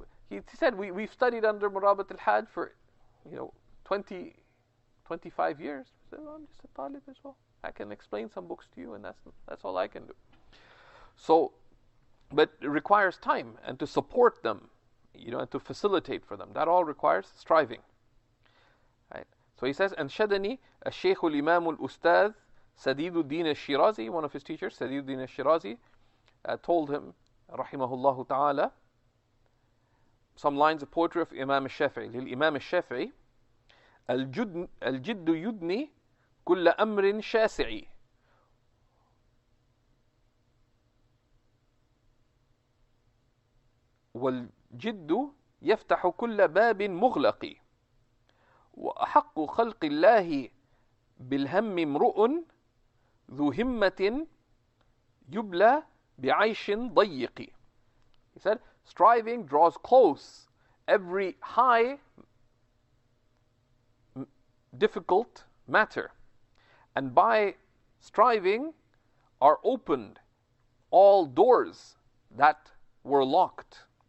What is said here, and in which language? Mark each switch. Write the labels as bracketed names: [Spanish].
[English] He said we've studied under Murabit al-Hajj for, you know, 20, 25 years. He said, well, I'm just a talib as well. I can explain some books to you, and that's all I can do. So, but it requires time, and to support them, you know, and to facilitate for them. That all requires striving. So he says, [Arabic] أنشدني الشيخ الإمام الأستاذ سديد الدين الشيرازي, [English] one of his teachers, [Arabic] سديد الدين الشيرازي, [English] told him, [Arabic] رحمه الله تعالى, [English] some lines of poetry of Imam [Arabic] الشافعي, للإمام الشافعي, الجد يدني كل أمر شاسعي. والجد يفتح كل باب مغلق وأحق خلق الله بالهم امرؤ ذو همة يبلى بعيش ضيق. [English] He said, striving draws close every high difficult matter, and by striving are opened all doors that were locked.